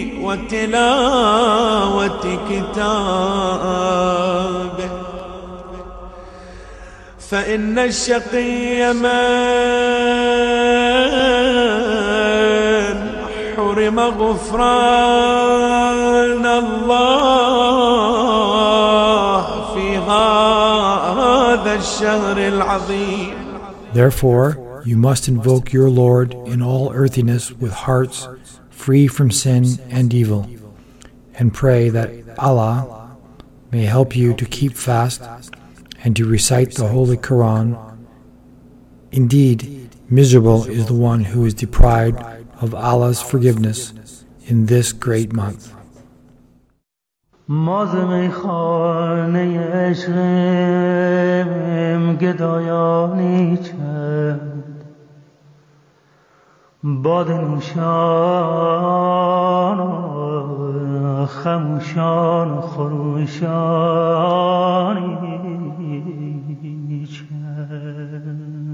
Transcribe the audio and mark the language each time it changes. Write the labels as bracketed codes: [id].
[ar] وتلاوة كتابه فإن الشقي من حرم غفران الله في هذا الشهر العظيم. [en] Therefore, you must invoke your Lord in all earthiness with hearts free from sin and evil, and pray that Allah may help you to keep fast and to recite the Holy Quran. Indeed, miserable is the one who is deprived of Allah's forgiveness in this great month. [fa] مازم خانه عشقم گدایانی چند باد نوشان و خموشان و خروشانی چند